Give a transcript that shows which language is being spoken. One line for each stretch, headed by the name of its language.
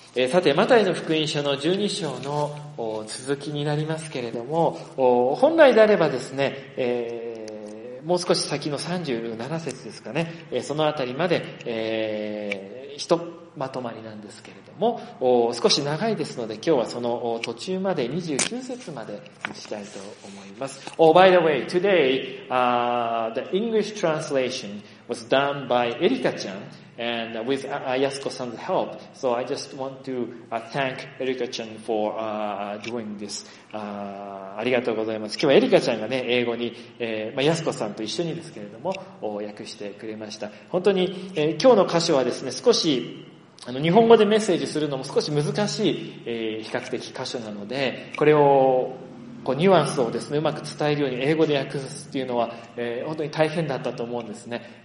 Japanese: さて、マタイの福音書の12章の続きになりますけれども、本来であればですね、もう少し先の37節ですかね、そのあたりまで、ひとまとまりなんですけれども、少し長いですので、今日はその途中まで29節までにしたいと思います。
English: Oh, by the way, today, the English translation was done by Erika ちゃんAnd with Ayasuko-san's help, so I just want to thank Erika-chan for doing this.
Japanese: ありがとうございます。今日はエリカちゃんがね、英語に、まあ、Ayasuko-san と一緒にですけれども、訳してくれました。本当に、今日の箇所はですね、少し日本語でメッセージするのも少し難しい、比較的箇所なので、これをこうニュアンスをですね、うまく伝えるように英語で訳すっていうのは、本当に大変だったと思うんですね。